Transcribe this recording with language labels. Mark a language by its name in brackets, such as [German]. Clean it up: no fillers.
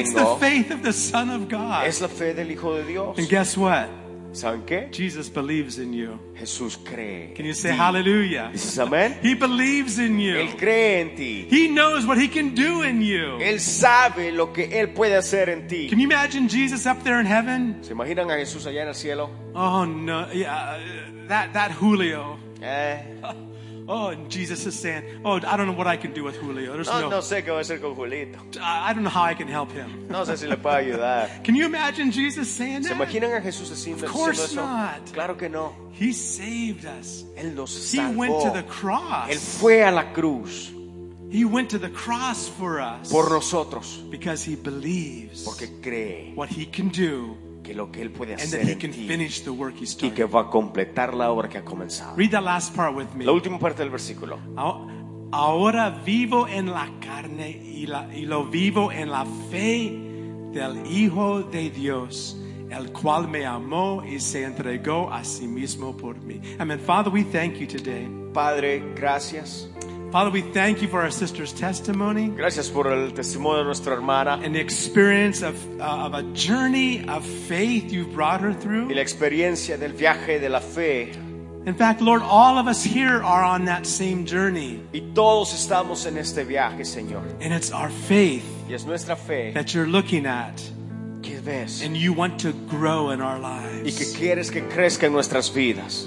[English] It's the faith of the Son of God. [Spanish] Es la fe del Hijo de Dios. [English] And guess what? [Spanish] ¿Saben qué? [English] Jesus believes in you. [Spanish] Jesús cree. [English] Can you say hallelujah? [Spanish] Dices amén. [English] He believes in you. [Spanish] Él cree en ti. [English] He knows what he can do in you. [Spanish] Él sabe lo que él puede hacer en ti. [English] Can you imagine Jesus up there in heaven? [Spanish] ¿Se imaginan a Jesús allá en el cielo? [English] Oh no, yeah, that Julio. Oh, and Jesus is saying, oh, I don't know what I can do with Julio. There's [Spanish] no sé qué voy a hacer con Julito. [English] I don't know how I can help him. [Spanish] No sé si le puedo ayudar. [English] Can you imagine Jesus saying that? [Spanish] ¿Se imaginan a Jesús diciendo eso? [English] Of course not. [Spanish] Claro que no. [English] He saved us. [Spanish] Él nos salvó. [English] He went to the cross. [Spanish] Él fue a la cruz. [English] He went to the cross for us. [Spanish] Por nosotros. [English] Because he believes. [Spanish] Porque cree. [English] What he can do. [Spanish] Que lo que él puede hacer [English] and that he can finish the work he started. [Spanish] Y que va a completar la obra que ha comenzado. [English] Read the last part with me. [Spanish] La última parte del versículo. Ahora vivo en la carne y lo vivo en la fe del Hijo de Dios, el cual me amó y se entregó a sí mismo por mí. [English] Amen. Father, we thank you today. [Spanish] Padre, gracias. [English] Father, we thank you for our sister's testimony. [Spanish] Gracias por el testimonio de nuestra hermana. [English] And the experience of a journey of faith you've brought her through. [Spanish] Y la experiencia del viaje de la fe. [English] In fact, Lord, all of us here are on that same journey. [Spanish] Y todos estamos en este viaje, Señor. [English] And it's our faith [Spanish] y es nuestra fe [English] that you're looking at. [Spanish] Que ves. [English] And you want to grow in our lives. [Spanish] Y que quieres que crezca en nuestras vidas.